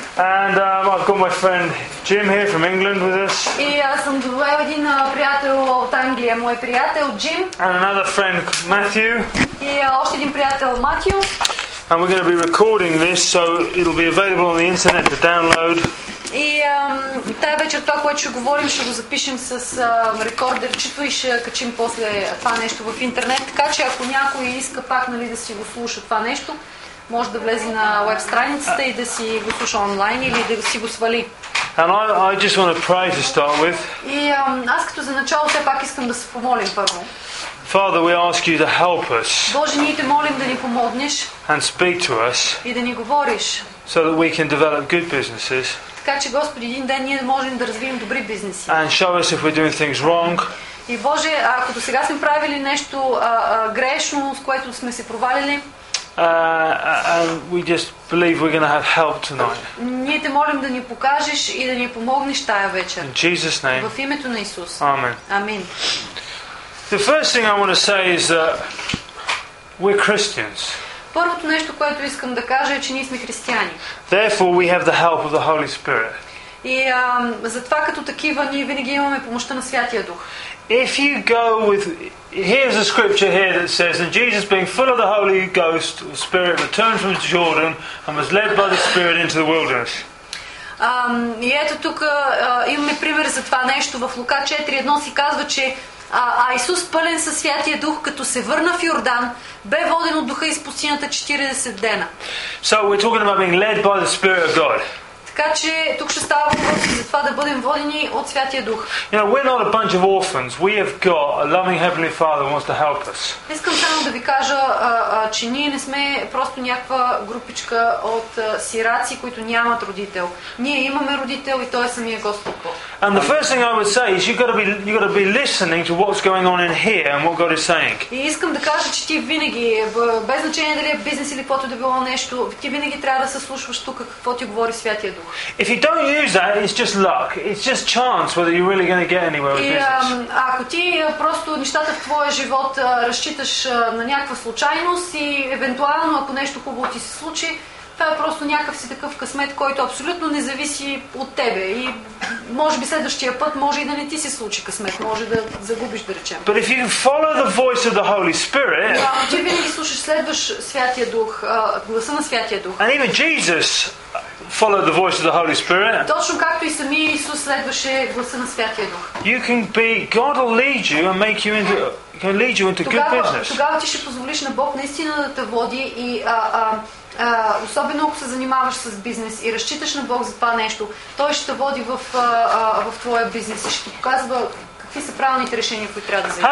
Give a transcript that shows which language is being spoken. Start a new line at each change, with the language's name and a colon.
English: And I've got my friend Jim here from England with us.
Bulgarian: И аз съм довел един приятел от Англия, мой приятел Jim.
English: And another friend Matthew.
Bulgarian: И още един приятел Matthew.
English: And we're going to be recording this, so it'll be available on the internet to download.
Bulgarian: И тази вечер това, което ще говорим, ще го запишем с рекордерчето и ще качим после това нещо в интернет. Така че ако някой иска пак нали, да си го слуша това нещо, може да влезе на веб страницата и да си го слуша онлайн или да си го свали.
English: And I just want to pray to start with.
Bulgarian: И аз като за начало все пак искам да се помолим първо.
English: Father, we ask you to help us.
Bulgarian: Боже, ние те молим да ни помогнеш.
English: And speak to us.
Bulgarian: И да ни говориш.
English: So that we can develop good businesses.
Bulgarian: Така че, Господи, един ден ние можем да развием добри бизнеси.
English: And show us if we're doing things wrong.
Bulgarian: И Боже, ако до сега сме правили нещо грешно, с което сме се провалили.
English: And we just believe we're going to have help tonight.
Bulgarian: Ние те молим да ни покажеш и да ни помогнеш тая вечер.
English: In Jesus' name.
Bulgarian: В името на Исус.
English: Amen. Amen. The first thing I want to say is that we're Christians.
Bulgarian: Първото нещо, което искам да кажа, е, че ние сме християни.
English: Therefore, we have the help of the Holy Spirit.
Bulgarian: И затова като такива, ние винаги имаме помощта на Святия Дух.
English: If you go with, here's a scripture here that says, and Jesus, being full of the Holy Ghost, the Spirit, returned from Jordan and was led by the Spirit into the wilderness.
Bulgarian: И ето тук имаме пример за това нещо в Лука 4:1 си казва, че Исус пълен със Святия Дух, като се върна в Йордан, бе воден от Духа из пустинята 40 дена.
English: So we're talking about being led by the Spirit of God.
Bulgarian: Така че тук ще става въпрос за това да бъдем водени от Святия Дух.
English: You know, we're not a bunch of orphans. We have got a loving Heavenly Father who wants to help us.
Bulgarian: Искам само да ви кажа, че ние не сме просто някаква групичка от сираци, които нямат родител. Ние имаме родител и той е самия Господ Бог.
English: And the first thing I would say is you've got to be listening to what's going on in here and what God is saying.
Bulgarian: И искам да кажа, че ти винаги, без значение дали е бизнес или каквото да било нещо, ти винаги трябва да се слушваш тук какво ти говори Святия Дух.
English: If you don't use that, it's just luck. It's just chance whether you're really going to get anywhere with business.
Bulgarian: И ако ти просто нещата в твоя живот разчиташ на някаква случайност и евентуално ако нещо хубаво ти се случи, това е просто някакъв си такъв късмет, който абсолютно не зависи от тебе. И може би следващия път може и да не ти се случи късмет, може да загубиш, да речем.
English: But if you follow the voice of the Holy Spirit,
Bulgarian: ако ти винаги слушаш, следваш Святия Дух, гласа на Святия Дух.
English: And even Jesus followed the voice of the Holy Spirit.
Bulgarian: Точно както и самия Исус следваше гласа на Святия Дух.
English: You can be, God will lead you and make you into, can lead you into good business.
Bulgarian: Тогава ти ще позволиш на Бог наистина да те води и особено ако се занимаваш с бизнес и разчиташ на Бог за това нещо, той ще те води в твоя бизнес и ще ти показва какви са правилните решения, които трябва да вземеш.